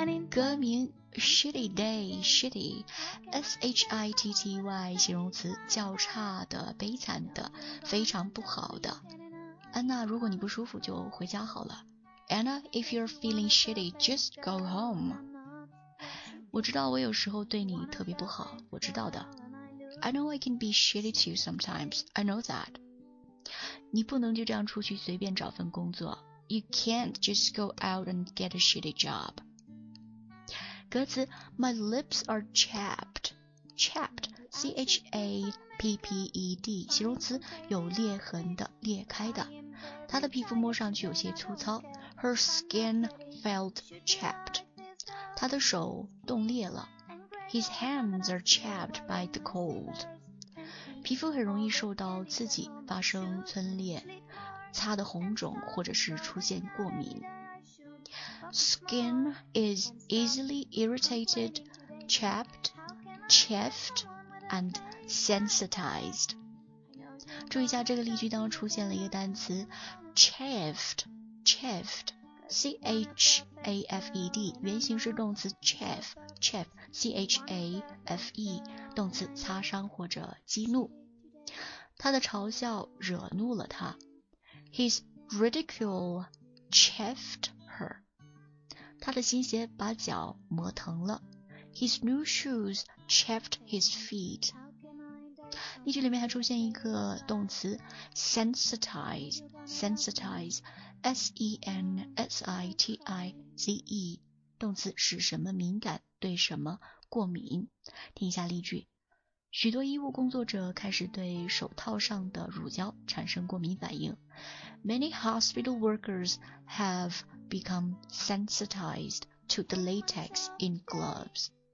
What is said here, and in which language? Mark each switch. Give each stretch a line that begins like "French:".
Chinese: 歌名 Shitty Day， Shitty S-H-I-T-T-Y， 形容词，较差的，悲惨的，非常不好的。安娜，如果你不舒服就回家好了。
English: Anna, if you're feeling shitty, just go home.
Chinese: 我知道我有时候对你特别不好，我知道的。
English: I know I can be shitty to you sometimes, I know that.
Chinese: 你不能就这样出去随便找份工作。
English: You can't just go out and get a shitty job.
Chinese: 歌词
English: My lips are chapped.
Chinese: Chapped, C-H-A-P-P-E-D, 形容词，有裂痕的，裂开的。她的皮肤摸上去有些粗糙，
English: Her skin felt chapped.
Chinese: 她的手冻裂了，
English: His hands are chapped by the cold.
Chinese: 皮肤很容易受到刺激，发生皴裂，擦的红肿，或者是出现过敏。
English: Skin is easily irritated, chapped, chafed, and sensitized.
Chinese: 注意一下，这个例句当中出现了一个单词 chafed， chafed， chafed 原形是动词 chafe chafe 动词擦伤或者激怒，他的嘲笑惹怒了他。 His ridicule chafed her，他的新鞋把脚磨疼了。
English: His new shoes chafed his feet。
Chinese: 例句里面还出现一个动词 sensitize S-E-N-S-I-T-I-Z-E 动词使什么敏感，对什么过敏。听一下例句，许多医务工作者开始对手套上的乳胶产生过敏反应。
English: Many hospital workers have become sensitized to the latex in gloves。